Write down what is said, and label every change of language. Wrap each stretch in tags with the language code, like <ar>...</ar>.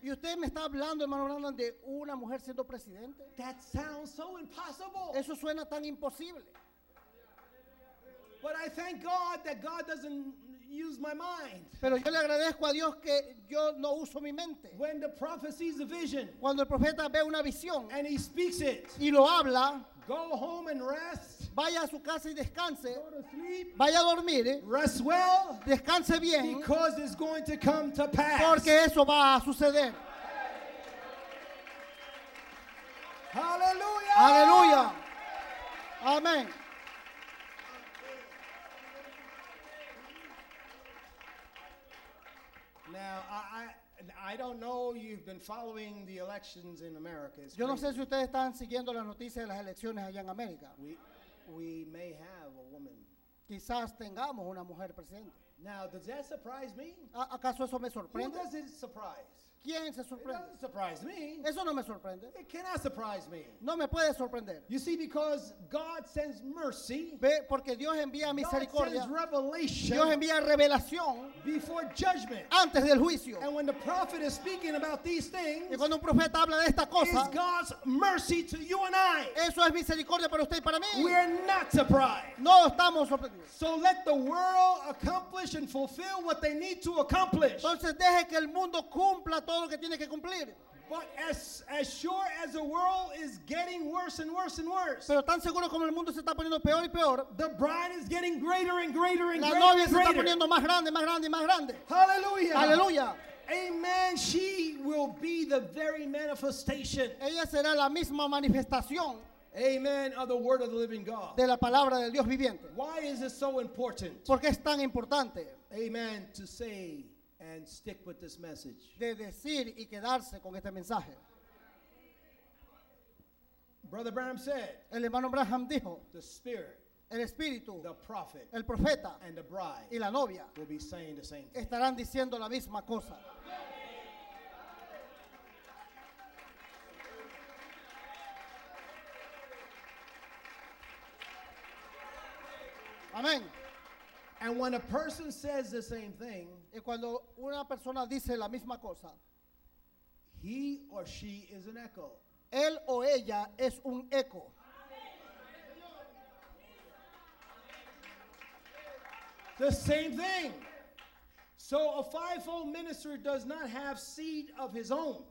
<es>Y usted me está hablando, hermano Brandon, de una mujer siendo presidente.</es> <en>That sounds so impossible.</en> <es>Eso suena tan imposible.</es> <en>But I thank God that God doesn't use my mind.</en> <es>Pero yo le agradezco a Dios que yo no uso mi mente.</es> <en>When the prophet sees a vision,</en> <es>cuando el profeta ve una visión,</es> <en>and he speaks it,</en> <es>y lo habla,</es> <en>go home and rest.</en> <es>Vaya a su casa y descanse.</es> <en>Go to sleep.</en> <es>Vaya a dormir.</es> <en>Rest well.</en> <es>Descanse bien.</es> <en>Because it's going to come to pass.</en> <es>Porque eso va a suceder.</es> <en>Hallelujah.</en> <es>Hallelujah. Amen.</es> <en>Now, I don't know you've been following the elections in America.</en> <es>Yo no sé si ustedes están siguiendo las noticias de las elecciones allá en América.</es> <en>We may have a woman.</en> <es>Quizás tengamos una mujer presidente.</es> <en>Now, does that surprise me?</en> <es>¿Acaso eso me sorprende?</es> <en>Who does it surprise?</en> <es>¿Quién se sorprende?</es> <en>It doesn't surprise me.</en> <es>Eso no me sorprende.</es> <en>It cannot surprise me.</en> <es>No me puede sorprender.</es> <en>You see, because God sends mercy.</en> <es>Ve, porque Dios envía misericordia.</es> <en>God sends revelation.</en> <es>Dios envía revelación.</es> <en>Before judgment.</en> <es>Antes del juicio.</es> <en>And when the prophet is speaking about these things.</en> <es>Y cuando un profeta habla de esta cosa.</es> <en>Is God's mercy to you and I.</en> <es>Eso es misericordia para usted y para mí.</es> <en>We are not surprised.</en> <es>No estamos sorprendidos.</es> <en>So let the world accomplish and fulfill what they need to accomplish.</en> <es>Entonces deje que el mundo cumpla todo lo que tiene que cumplir.</es> <en>But as sure as the world is getting worse and worse and worse.</en> <es>Pero tan seguro como el mundo se está poniendo peor y peor.</es> <en>The bride is getting greater and greater and greater.</en> <es>La novia se está poniendo más grande, más grande, más grande.</es> <en>Hallelujah.</en> <es>Hallelujah.</es> <en>Amen. She will be the very manifestation.</en> <es>Ella será la misma manifestación.</es> <en>Amen. Of the word of the living God.</en> <es>De la palabra del Dios viviente.</es> <en>Why is it so important?</en> <es>¿Por qué es tan importante?</es> <en>Amen. To say and stick with this message.</en> <es>De decir y quedarse con este mensaje.</es> <en>Brother Branham said.</en> <es>El hermano Branham dijo.</es> <en>The spirit.</en> <es>El espíritu.</es> <en>The prophet.</en> <es>El profeta.</es> <en>And the bride.</en> <es>Y la novia.</es> <en>Will be saying the same thing.</en> <es>Estarán diciendo la misma cosa. Amén.</es> <en>And when a person says the same thing,</en> <es>y cuando una persona dice la misma cosa,</es> <en>he or she is an echo.</en> <es>Él o ella es un eco.</es> <en>The same thing. So a fivefold minister does not have seed of his own.</en>